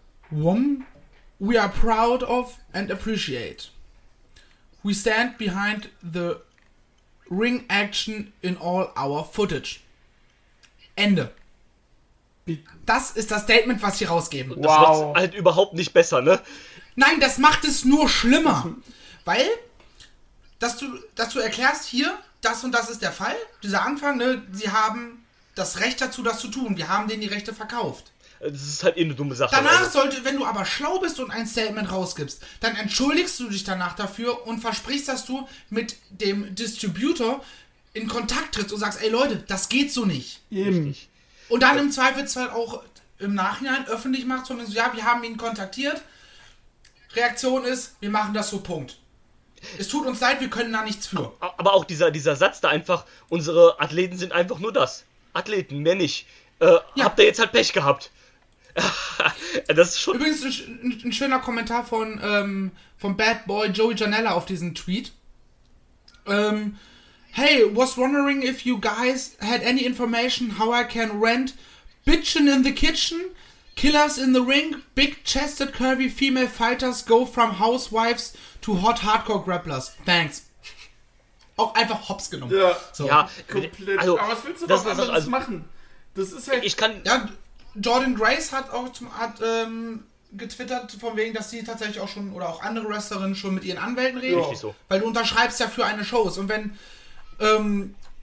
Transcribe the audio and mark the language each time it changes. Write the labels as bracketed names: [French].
[English] One we are proud of and appreciate. We stand behind the ring action in all our footage. [German] Ende. Das ist das Statement, was sie rausgeben. Das wow. Macht es halt überhaupt nicht besser, ne? Nein, das macht es nur schlimmer. Weil, dass du erklärst hier, das und das ist der Fall, dieser Anfang, ne, sie haben das Recht dazu, das zu tun. Wir haben denen die Rechte verkauft. Das ist halt eh eine dumme Sache. Danach sollte, wenn du aber schlau bist und ein Statement rausgibst, dann entschuldigst du dich danach dafür und versprichst, dass du mit dem Distributor in Kontakt trittst und sagst, ey Leute, das geht so nicht. Eben. Und dann im Zweifelsfall auch im Nachhinein öffentlich macht, zumindest so, ja, wir haben ihn kontaktiert. Reaktion ist, wir machen das so, Punkt. Es tut uns leid, wir können da nichts für. Aber auch dieser Satz da einfach, unsere Athleten sind einfach nur das. Athleten, mehr nicht. Habt ihr jetzt halt Pech gehabt. Das ist schon. Übrigens ein schöner Kommentar von Bad Boy Joey Janela auf diesen Tweet. [English] Hey, was wondering if you guys had any information how I can rent Bitchin' in the Kitchen, Killers in the Ring, Big-Chested Curvy Female Fighters go from Housewives to Hot Hardcore Grapplers. Thanks. [German] Auch einfach hops genommen. Ja, so. Komplett. Also, aber was willst du noch anderes also, machen? Das ist halt... Ich kann... Ja, Jordan Grace hat auch getwittert, von wegen, dass sie tatsächlich auch schon, oder auch andere Wrestlerinnen schon mit ihren Anwälten reden. Richtig so. Weil du unterschreibst ja für eine Shows. Und wenn...